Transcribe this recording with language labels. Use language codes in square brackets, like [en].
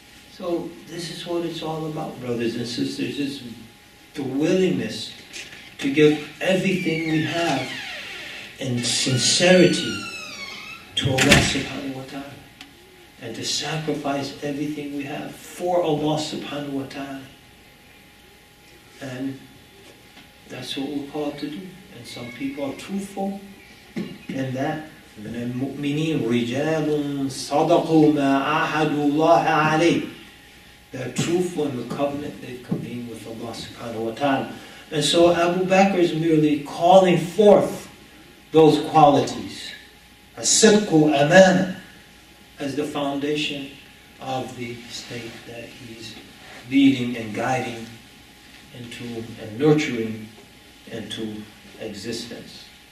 [en] So this is what it's all about, brothers and sisters. It's the willingness to give everything we have in sincerity to Allah subhanahu wa ta'ala. And to sacrifice everything we have for Allah subhanahu wa ta'ala. And That's what we're called to do. And some people are truthful in that. [ar] من المؤمنين رجال صدقوا ما عهد الله عليه. [en] They're truthful in the covenant they've convened with Allah subhanahu wa ta'ala. And so Abu Bakr is merely calling forth those qualities. [ar] As-sidq amana, [en] as the foundation of the state that he's leading and guiding into and nurturing into existence.